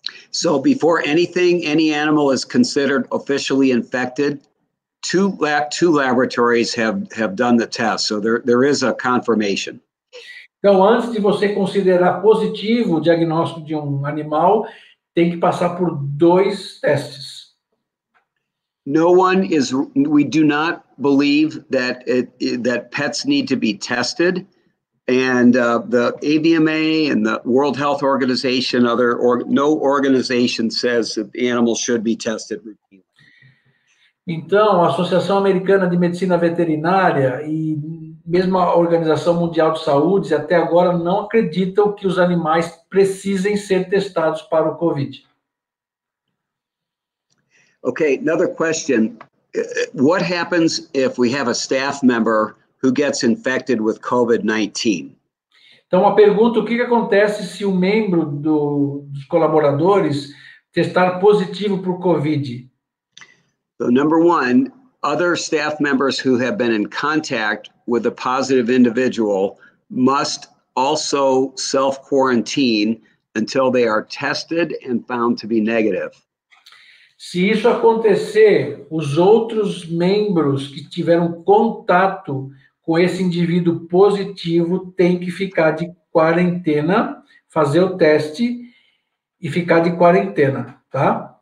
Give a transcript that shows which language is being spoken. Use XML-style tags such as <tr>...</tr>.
<en>So before anything, any animal is considered officially infected, two laboratories have done the test. So there is a confirmation.</en> <pt>Então, antes de você considerar positivo o diagnóstico de um animal, tem que passar por dois testes.</pt> <en>We do not believe that pets need to be tested. And the AVMA and the World Health Organization, no organization says that animals should be tested routinely.</en> <pt>Então, a Associação Americana de Medicina Veterinária e mesmo a Organização Mundial de Saúde até agora não acreditam que os animais precisem ser testados para o COVID.</pt> <en>Okay, another question. What happens if we have a staff member who gets infected with COVID-19?</en> <pt>Então, uma pergunta, o que acontece se um membro dos colaboradores testar positivo para o COVID?</pt> <en>So, number one, other staff members who have been in contact with a positive individual must also self-quarantine until they are tested and found to be negative.</en> <pt>Se isso acontecer, os outros membros que tiveram contato com esse indivíduo positivo, tem que ficar de quarentena, fazer o teste e ficar de quarentena, tá?</pt>